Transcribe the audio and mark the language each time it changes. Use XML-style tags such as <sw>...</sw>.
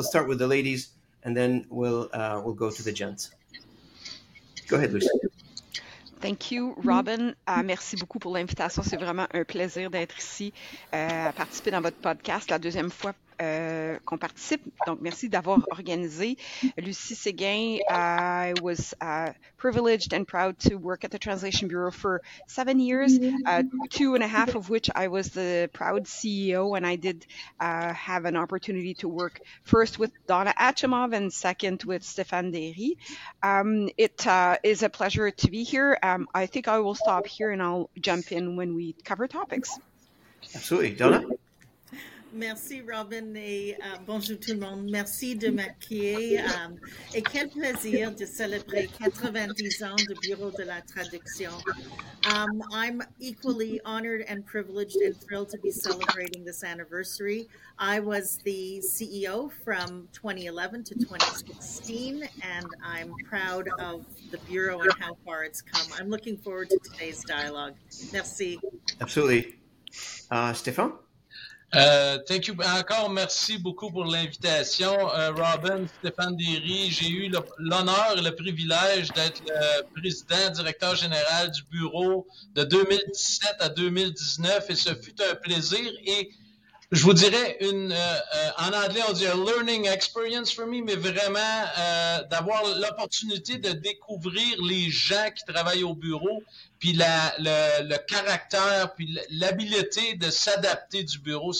<en>We'll start with the ladies, and then we'll go to the gents. Go ahead, Lucy. Thank you, Robin.</en> <fr>Merci beaucoup pour l'invitation. C'est vraiment un plaisir d'être ici, à participer dans votre podcast la deuxième fois qu'on participe. Donc, merci d'avoir organisé.</fr> <en>Lucie Séguin, I was privileged and proud to work at the Translation Bureau for 7 years, 2.5 of which I was the proud CEO, and I did have an opportunity to work first with Donna Achimov and second with Stéphane Derry. It is a pleasure to be here. I think I will stop here and I'll jump in when we cover topics. Absolutely. Donna?</en> <fr>Merci, Robin, et bonjour tout le monde. Merci de m'accueillir. Et quel plaisir de célébrer 90 ans du Bureau de la Traduction.</fr> <en>I'm equally honored and privileged and thrilled to be celebrating this anniversary. I was the CEO from 2011 to 2016, and I'm proud of the Bureau and how far it's come. I'm looking forward to today's dialogue.</en> <fr>Merci.</fr> <en>Absolutely. Stéphane? Thank you.</en> <fr>Encore merci beaucoup pour l'invitation, Robin, Stéphane Derry. J'ai eu l'honneur et le privilège d'être le président, directeur général du bureau de 2017 à 2019 et ce fut un plaisir et je vous dirais en anglais on dit</fr> <en>a learning experience for me,</en> <fr>mais vraiment d'avoir l'opportunité de découvrir les gens qui travaillent au bureau, puis le caractère, puis l'habileté de s'adapter du bureau.</fr>